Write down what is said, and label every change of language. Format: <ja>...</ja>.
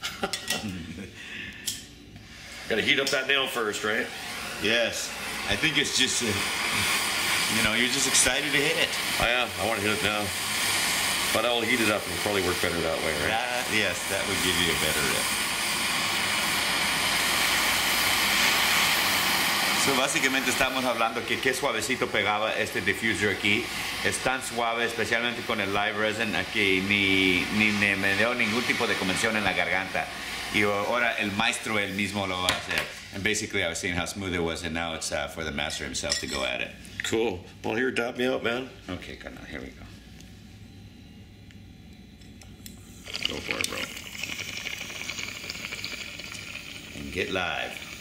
<en>Got to heat up that nail first, right? Yes. I think it's just, you know, you're just excited to hit it. I am. I want to hit it now. But I'll heat it up. It'll probably work better that way, right? Yes, that would give you a better rip.</en> <es>So, básicamente, estamos hablando que qué suavecito pegaba este diffuser aquí. Es tan suave, especialmente con el live resin aquí. Ni me dio ningún tipo de comezón en la garganta. Y ahora el maestro él mismo lo va a hacer.</es> <en>And basically, I was seeing how smooth it was, and now it's for the master himself to go at it. Cool. Well, here, dab me out, man. Okay, good. Now, here we go. Go for it, bro. And get live.</en>